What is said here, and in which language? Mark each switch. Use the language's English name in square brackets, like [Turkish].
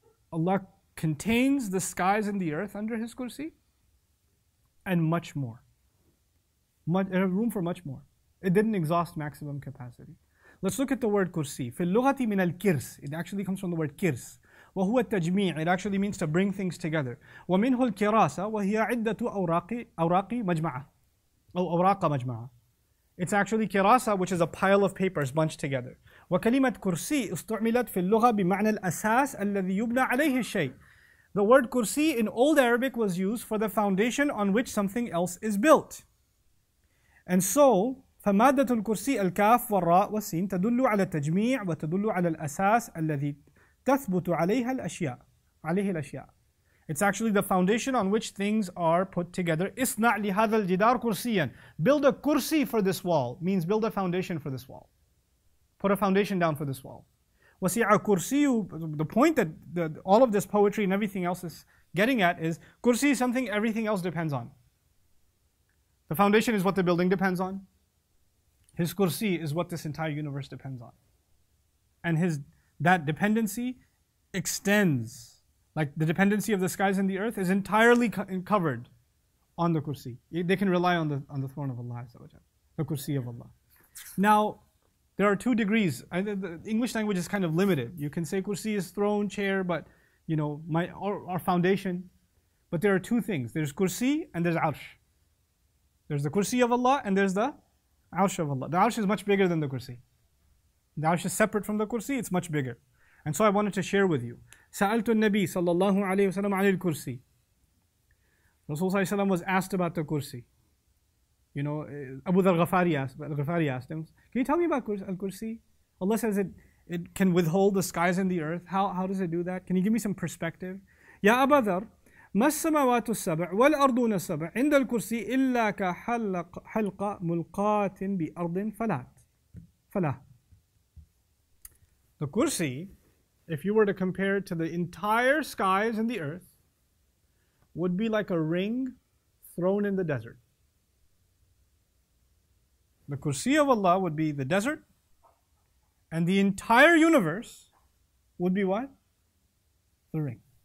[English] Allah contains the skies and the earth under his kursi, and much more. Room for much more. It didn't exhaust maximum capacity. Let's look at the word kursi. [Arabic] في اللغة من الكرس. [English] It actually comes from the word كرس. [Arabic] وهو التجميع. [English] It actually means to bring things together. [Arabic] ومنه الكراسة وهي عدة أوراق مجمعة. أو أوراق مجمعة. [English] It's actually كراسة, which is a pile of papers bunched together. [Arabic] وكلمة كرسي استعملت في اللغة بمعنى الأساس الذي يبنى عليه الشيء. [English] The word kursi in old Arabic was used for the foundation on which something else is built. And so, [Arabic] فمادة الكرسي الكاف والراء والسين تدل على التجميع وتدل على الأساس الذي تثبت عليها الأشياء. عليه الأشياء. [English] It's actually the foundation on which things are put together. [Arabic] اصنع لهذا الجدار كرسيا. [English] Build a kursi for this wall means build a foundation for this wall. Put a foundation down for this wall. [Arabic] وسيع كرسي, [English] the point that all of this poetry and everything else is getting at is kursi is something everything else depends on. The foundation is what the building depends on. His kursi is what this entire universe depends on. And his that dependency extends. Like the dependency of the skies and the earth is entirely covered on the kursi. They can rely on the throne of Allah, the kursi of Allah. Now, there are 2 degrees. The English language is kind of limited. You can say kursi is throne, chair, but you know, our foundation. But there are 2 things. There's kursi and there's arsh. There's the kursi of Allah and there's the arsh of Allah. The arsh is much bigger than the kursi. The arsh is separate from the kursi, it's much bigger. And so I wanted to share with you. [Arabic] سألت النبي صلى الله عليه وسلم عن الكرسي. [English] Rasul [Arabic] صلى الله عليه وسلم [English] was asked about the kursi. You know, Abu Dhar al-Ghafari asked him, can you tell me about al-kursi? Allah says it can withhold the skies and the earth. How does it do that? Can you give me some perspective? Ya Abu Dhar, [Arabic] ما السماوات السبع والأرضون السبع عند الكرسي إلا كحلقة ملقاة بأرض فلا. [English] The kursi, if you were to compare it to the entire skies and the earth, would be like a ring thrown in the desert. The kursi of Allah would be the desert, and the entire universe would be what? The ring.